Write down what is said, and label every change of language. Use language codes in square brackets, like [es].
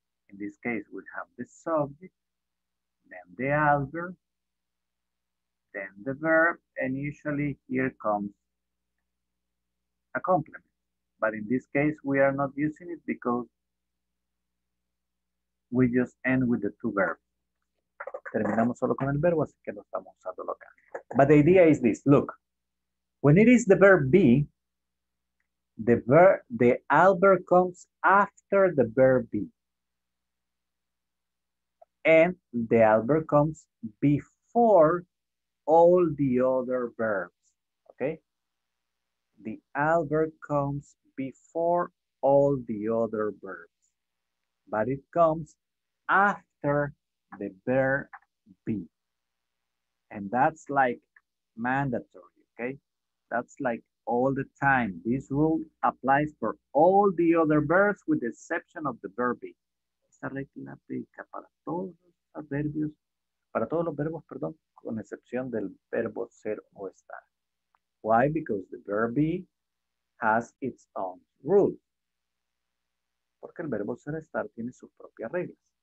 [en] In this case, we have the subject, then the adverb, then the verb, and usually here comes a complement, but in this case, we are not using it because we just end with the two verbs. [es] Terminamos solo con el verbo, así que no estamos usando acá. [en] But the idea is this, look. When it is the verb be, the adverb comes after the verb be. And the adverb comes before all the other verbs, okay? The adverb comes before all the other verbs, but it comes after the verb be. And that's like mandatory, okay? That's like all the time. This rule applies for all the other verbs with the exception of the verb be. [es] Esta regla aplica para todos los adverbios, para todos los verbos, perdón, con excepción del verbo ser o estar. [en] Why? Because the verb be has its own rule. [es] Porque el verbo ser o estar tiene sus propias reglas.